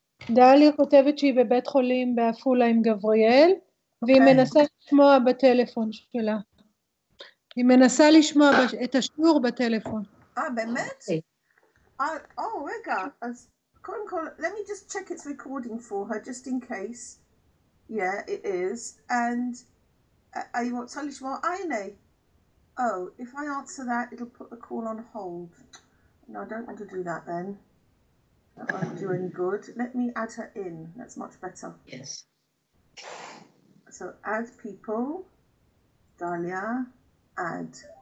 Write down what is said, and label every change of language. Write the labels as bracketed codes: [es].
[he] דליה כותבת שהיא בבית חולים באפולה עם גבריאל, והיא מנסה לשמוע בטלפון שלה. היא מנסה לשמוע את השיעור בטלפון. באמת? רגע. אז קודם כל, [en] let me just check its recording for her, just in case. Yeah, it is. And [he] היא רוצה לשמוע, הנה. [en] If I answer that, it'll put the call on hold. No, I don't want to do that then. That won't do any good. Let me add her in. That's much better. Yes. So add people. Dahlia, add.